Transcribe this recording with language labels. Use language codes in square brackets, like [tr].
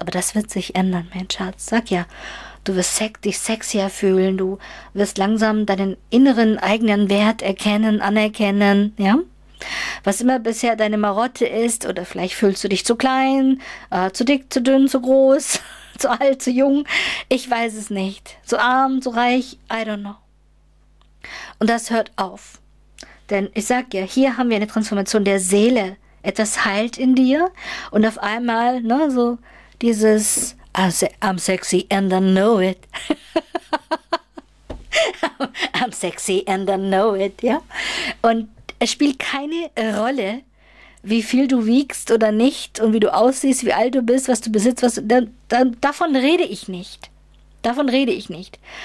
[de] Aber das wird sich ändern, mein Schatz. Sag ja, du wirst dich sexier fühlen, du wirst langsam deinen inneren eigenen Wert erkennen, anerkennen, ja? Was immer bisher deine Marotte ist, oder vielleicht fühlst du dich zu klein, zu dick, zu dünn, zu groß, zu alt, zu jung, ich weiß es nicht. Zu arm, zu reich, [en] I don't know. [de] Und das hört auf. Denn ich sag ja, hier haben wir eine Transformation der Seele. Etwas heilt in dir und auf einmal, ne, so dieses [en] I'm sexy and I know it. I'm sexy and I know it, [de] ja. Und es spielt keine Rolle, wie viel du wiegst oder nicht und wie du aussiehst, wie alt du bist, was du besitzt, was davon rede ich nicht. Davon rede ich nicht.